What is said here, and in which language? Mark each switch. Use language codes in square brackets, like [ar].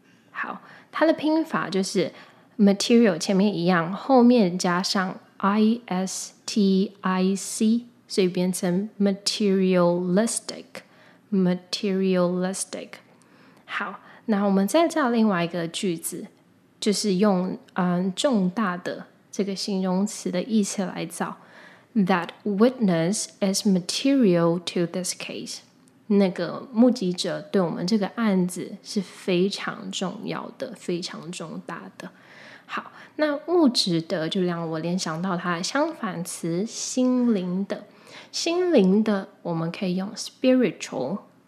[zh] 好，它的拼法就是 material 前面一样，后面加上 istic， 所以变成 materialistic。好，那我们再造另外一个句子，就是用重大的这个形容词的意思来造。 [en] That witness is material to this case. [zh] 那个目击者对我们这个案子是非常重要的，非常重大的。好，那物质的就让我联想到它的相反词，心灵的。心灵的我们可以用 spiritual。